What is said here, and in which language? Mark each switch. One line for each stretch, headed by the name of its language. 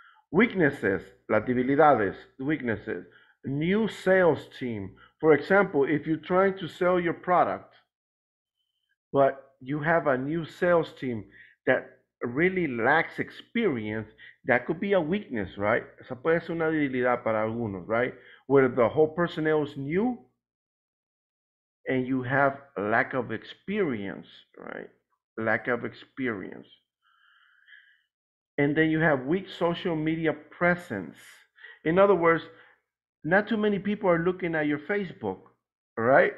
English: Weaknesses,
Spanish: las debilidades,
English: weaknesses. New sales team. For example, if you're trying to sell your product, but you have a new sales team that really lacks experience, that could be a weakness, right?
Spanish: Esa puede ser una debilidad para algunos, right?
English: Where the whole personnel is new and you have a lack of experience, right? Lack of experience. And then you have weak social media presence. In other words, not too many people are looking at your Facebook, right?